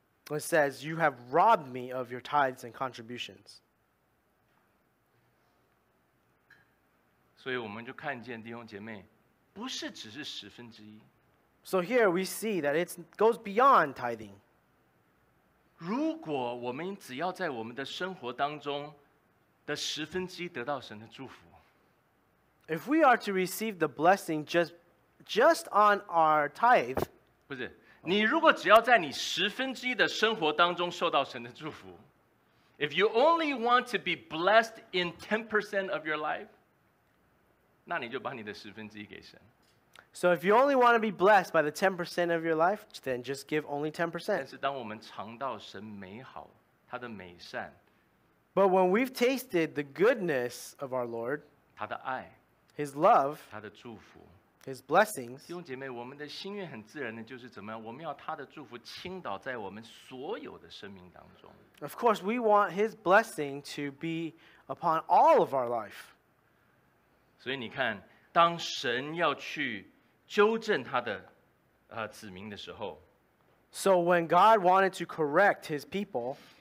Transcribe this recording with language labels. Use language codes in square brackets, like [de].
[en] It says, you have robbed me of your tithes and contributions. [zh] 所以我们就看见弟兄姐妹， 不是只是十分之一。 [en] So here we see that it goes beyond tithing. [zh] 如果我们只要在我们的生活当中的十分之一得到神的祝福， [en] If we are to receive the blessing just on our tithe, [zh] 不是， 你如果只要在你十分之一的生活当中受到神的祝福， [en] If you only want to be blessed in 10% of your life, [zh] 那你就把你的十分之一给神。 [en] So if you only want to be blessed by the 10% of your life, then just give only 10%. [zh] 但是当我们尝到神美好， 祂的美善， [en] But when we've tasted the goodness of our Lord, [zh] 祂的爱， [en] His love, [zh] 祂的祝福， [en] His blessings, [zh] 弟兄姐妹， 我们的心愿很自然的就是怎么样， 我们要祂的祝福倾倒在我们所有的生命当中。 [en] Of course, we want His blessing to be upon all of our life. [zh] 所以你看，当神要去纠正他的子民的时候， [en] So when God wanted to correct his people,